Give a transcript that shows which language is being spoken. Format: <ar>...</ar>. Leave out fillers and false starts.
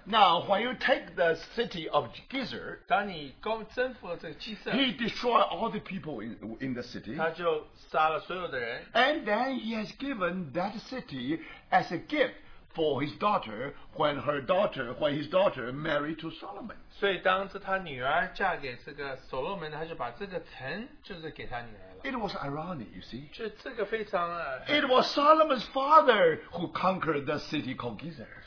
<en>Now when you take the city of Gezer, he destroyed all the people in the city.</en> <zh>他就杀了所有的人,</zh> <en>and then he has given that city as a gift for his daughter when his daughter married to Solomon.</en> <zh>所以当着他女儿嫁给这个所罗门, 他就把这个城就是给他女儿。</zh> <en>It was ironic, you see.</en> <zh>这个非常,</zh> <en>it was Solomon's father who conquered the city called Gezer.</en>